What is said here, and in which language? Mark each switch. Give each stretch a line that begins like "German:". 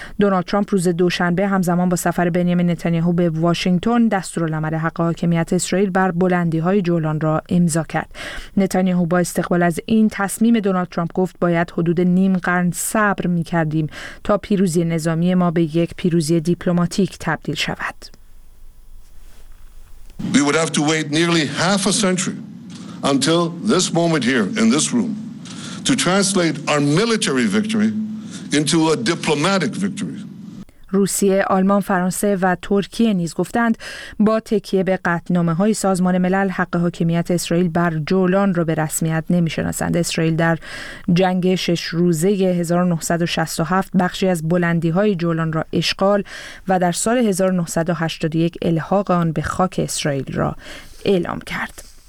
Persian: دونالد ترامپ روز دوشنبه همزمان با سفر بنیامین نتانیاهو به واشنگتن دستورالعمل حق حاکمیت اسرائیل بر بلندی‌های جولان را امضا کرد. نتانیاهو با استقبال از این تصمیم دونالد ترامپ گفت باید حدود نیم قرن صبر می‌کردیم تا پیروزی نظامی ما به یک پیروزی دیپلماتیک تبدیل شود.
English: We would have to wait nearly half a century until this moment here in this room to translate our military victory into a diplomatic victory.
Persian: روسیه، آلمان، فرانسه و ترکیه نیز گفتند با تکیه به قطعنامه‌های سازمان ملل، حق حاکمیت اسرائیل بر جولان را به رسمیت نمی‌شناسند. اسرائیل در جنگ شش روزه 1967 بخشی از بلندی‌های جولان را اشغال و در سال 1981 الحاق آن به خاک اسرائیل را اعلام کرد.